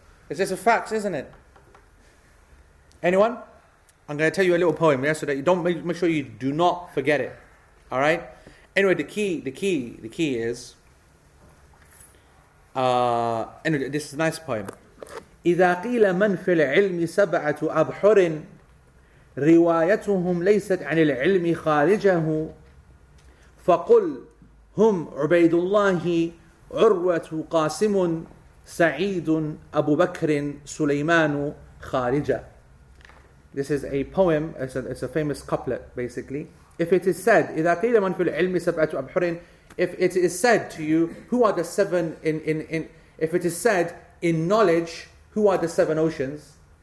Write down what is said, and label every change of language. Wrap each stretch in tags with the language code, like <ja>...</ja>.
<en>It's just a fact, isn't it? Anyone? I'm going to tell you a little poem, yeah, so that you don't make sure you do not forget it. All right? Anyway, the key is anyway, this is a nice poem.</en> <ar>إذا قيل من في العلم سبعة أبحر روايتهم ليست عن العلم خارجه فقل هم عبيد الله عروة قاسم سعيد أبو بكر سليمان خارجه.</ar> <en>This is a poem, it's a famous couplet basically. If it is said,</en> <ar>إذا قيل من في العلم سبعة أبحر,</ar> <en>if it is said to you, who are the seven in if it is said in knowledge, who are the seven oceans,</en>